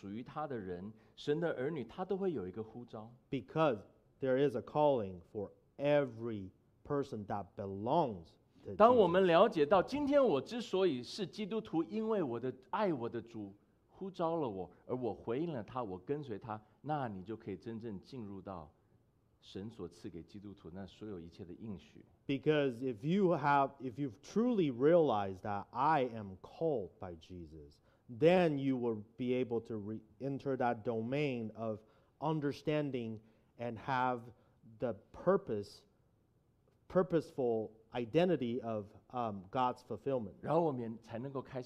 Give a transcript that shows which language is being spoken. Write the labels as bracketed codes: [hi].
[zh] 因为今天主耶稣基督对每一个属于他的人，神的儿女，他都会有一个呼召。 [en] Because there is a calling for every person that belongs. [zh] 当我们了解到今天我之所以是基督徒，因为我的爱我的主。呼召了我，而我回应了他，我跟随他，那你就可以真正进入到神所赐给基督徒那所有一切的应许。 [en] Because if you've truly realized that I am called by Jesus, then you will be able to enter that domain of understanding and have the purposeful identity of God's fulfillment.